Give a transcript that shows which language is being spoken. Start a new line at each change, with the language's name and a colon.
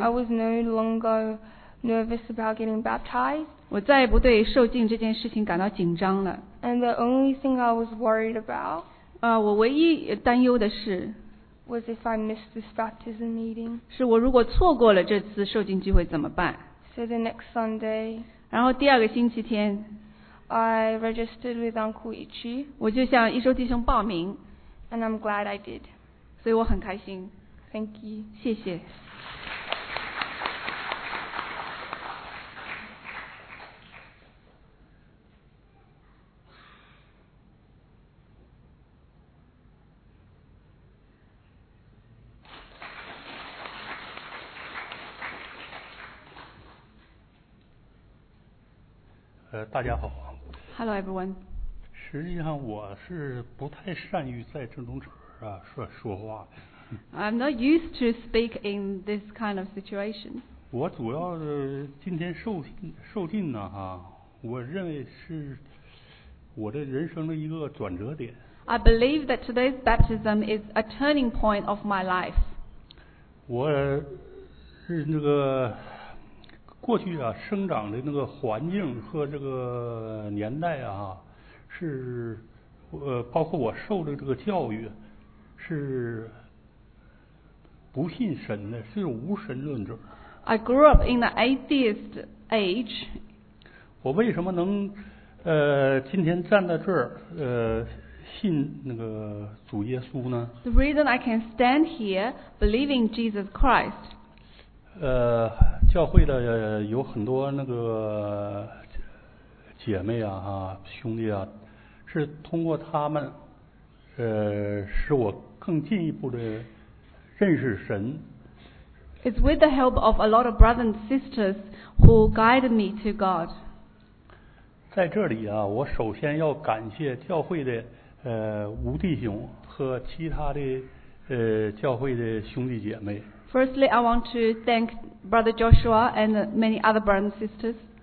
English: I was no longer nervous about getting baptized.
Chinese: 我再也不对受浸这件事情感到紧张了。
English: And the only thing I was worried about,
Chinese: 我唯一担忧的是
English: was if I missed this baptism meeting.
Chinese: 是我如果错过了这次受浸机会怎么办？
English: So the next Sunday,
Chinese: 然后第二个星期天
English: I registered with Uncle Ichi.
Chinese: 我就向一周弟兄报名。
English: And I'm glad I did.
Chinese: 所以我很开心。
English: Thank you.
Chinese: 谢谢。大家好。
English: Hello, everyone.
Chinese: 实际上我是不太善于在这种场合说话。
English: I'm not used to speak in this kind of situation.
Chinese: 我主要是今天受浸呢哈，我认为是我的人生的一个转折点。
English: I believe that today's baptism is a turning point of my life.
Chinese: 我是那个。过去啊，生长的那个环境和这个年代啊，是包括我受的这个教育，是不信神的，是无神论者。
English: I grew up in the atheist age.
Chinese: 我为什么能今天站在这儿信那个主耶稣呢
English: ？The reason I can stand here believing Jesus Christ.
Chinese: 教会的有很多那个姐妹兄弟是通过他们使我更进一步的认识神。
English: It's with the help of a lot of brothers and sisters who guide me to God.
Chinese: 在这里我首先要感谢教会的吴弟兄和其他的教会的兄弟姐妹。
English: Firstly, I want to thank Brother Joshua and many other brothers and sisters.